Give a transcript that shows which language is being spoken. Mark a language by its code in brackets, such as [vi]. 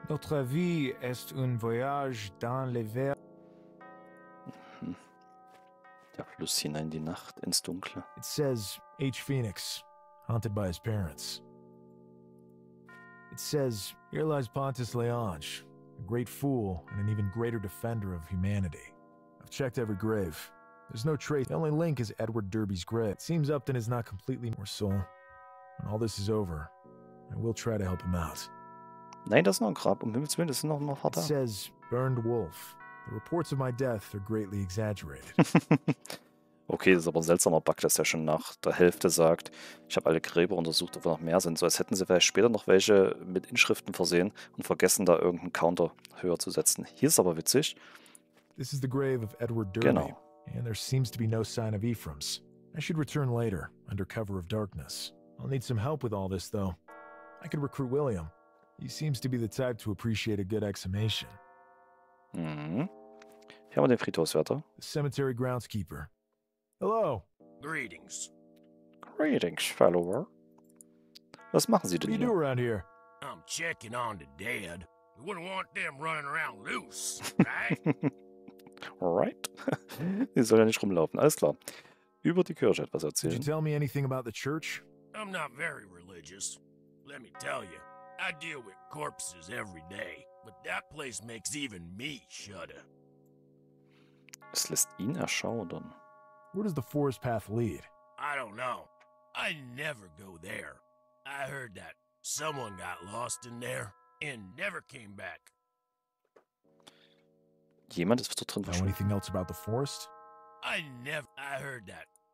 [fr] Notre vie est un voyage dans le ver. [de] Der Fluss hinein die Nacht ins Dunkle. [en] It says H. Phoenix, haunted by his parents. It says here lies Pontus Léonge, a great fool and an even greater defender of humanity. I've checked every grave. There's no trace. The only link is Edward Derby's grave. Seems Upton is not completely more soul. When all this is over, I will try to help him out. [de] Nein, das ist noch ein Grab. Um Himmels Willen, das ist noch ein Vater. [en] It says, burned wolf. The reports of my death are greatly exaggerated. [de] Okay, das ist aber ein seltsamer Bug, dass er schon nach der Hälfte sagt, ich habe alle Gräber untersucht, ob noch mehr sind. So als hätten sie vielleicht später noch welche mit Inschriften versehen und vergessen, da irgendeinen Counter höher zu setzen. Hier ist aber witzig. [en] This is the grave of Edward Derby. [de] Genau. [en] And there seems to be no sign of Ephraim's. I should return later, under cover of darkness. I'll need some help with all this, though. I could recruit William. He seems to be the type to appreciate a good exhumation. [de] Hier haben wir den Friedhofswärter. [en] The cemetery groundskeeper. Hello. Greetings. Greetings, follower. [de] Was machen Sie denn hier? [en] What do you do around here? I'm checking on the dead. We wouldn't want them running around loose, right? Right? [de] Die soll ja nicht rumlaufen. Alles klar. Über die Kirche etwas erzählen. [en] Did you tell me anything about the church? I'm not very religious. Let me tell you, I deal with corpses every day, but that place makes even me shudder. [de] Es lässt ihn erschaudern. [en] Where does the forest path lead? I don't know. I never go there. I heard that someone got lost in there and never came back. [de] Jemand ist dort drin. [en] Know anything else about the forest? I heard that.